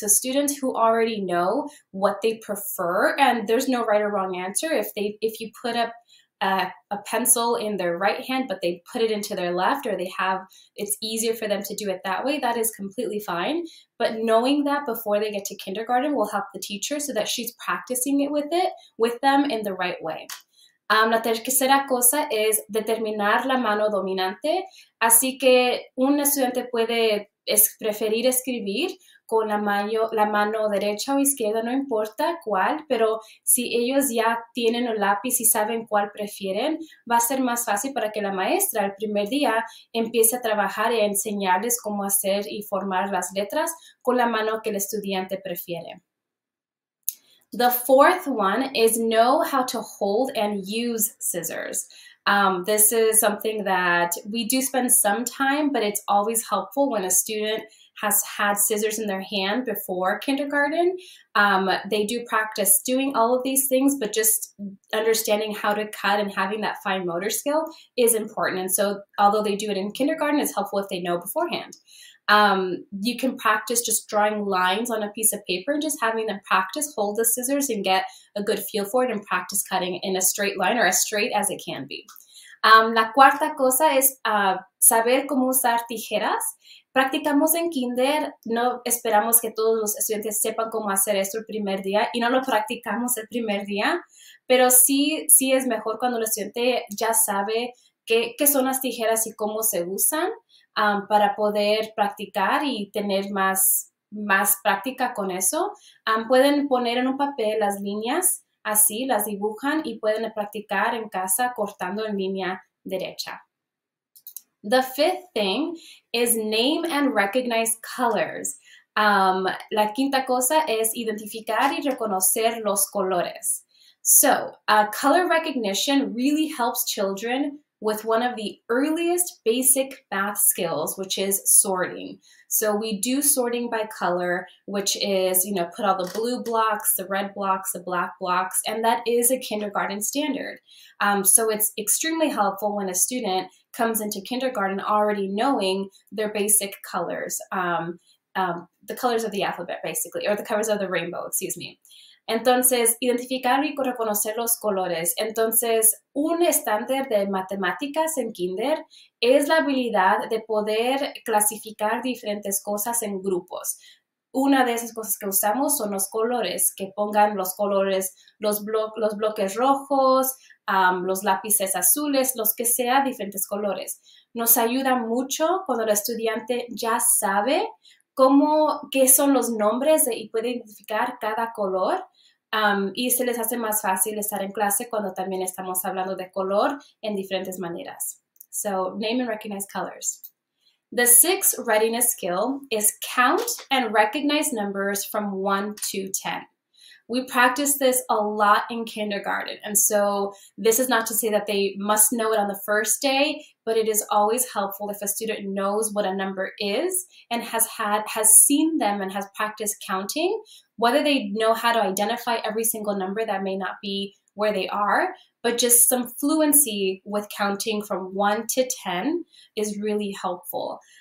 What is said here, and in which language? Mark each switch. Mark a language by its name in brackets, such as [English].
[English] So students who already know what they prefer, and there's no right or wrong answer, if you put up a pencil in their right hand, but they put it into their left, or it's easier for them to do it that way, that is completely fine. But knowing that before they get to kindergarten will help the teacher so that she's practicing it with them in the right way. [Spanish] La tercera cosa es determinar la mano dominante. Así que un estudiante puede preferir escribir con la mano derecha o izquierda, no importa cuál, pero si ellos ya tienen un lápiz y saben cuál prefieren, va a ser más fácil para que la maestra el primer día empiece a trabajar y a enseñarles cómo hacer y formar las letras con la mano que el estudiante prefiere. [English] The fourth one is know how to hold and use scissors. This is something that we do spend some time, but it's always helpful when a student has had scissors in their hand before kindergarten. They do practice doing all of these things, but just understanding how to cut and having that fine motor skill is important. And so although they do it in kindergarten, it's helpful if they know beforehand. You can practice just drawing lines on a piece of paper and just having them practice hold the scissors and get a good feel for it and practice cutting in a straight line or as straight as it can be. [Spanish] La cuarta cosa es saber cómo usar tijeras. Practicamos en kinder, no esperamos que todos los estudiantes sepan cómo hacer esto el primer día y no lo practicamos el primer día, pero sí es mejor cuando el estudiante ya sabe qué son las tijeras y cómo se usan para poder practicar y tener más práctica con eso. Pueden poner en un papel las líneas Así las dibujan y pueden practicar en casa cortando en línea derecha. [English] The fifth thing is name and recognize colors. [Spanish] La quinta cosa es identificar y reconocer los colores. [English] So, color recognition really helps children with one of the earliest basic math skills, which is sorting. So we do sorting by color, which is, put all the blue blocks, the red blocks, the black blocks, and that is a kindergarten standard. So it's extremely helpful when a student comes into kindergarten already knowing their basic colors, the colors of the alphabet, basically, or the colors of the rainbow, excuse me. [Spanish] Entonces, identificar y reconocer los colores. Entonces, un estándar de matemáticas en kinder es la habilidad de poder clasificar diferentes cosas en grupos. Una de esas cosas que usamos son los colores, que pongan los colores, los bloques rojos, los lápices azules, los que sea, diferentes colores. Nos ayuda mucho cuando el estudiante ya sabe cómo, qué son los nombres y puede identificar cada color. Y se les hace más fácil estar en clase cuando también estamos hablando de color en diferentes maneras. [English] So, name and recognize colors. The sixth readiness skill is count and recognize numbers from 1 to 10. We practice this a lot in kindergarten. And so this is not to say that they must know it on the first day, but it is always helpful if a student knows what a number is and has seen them and has practiced counting, whether they know how to identify every single number that may not be where they are, but just some fluency with counting from 1 to 10 is really helpful.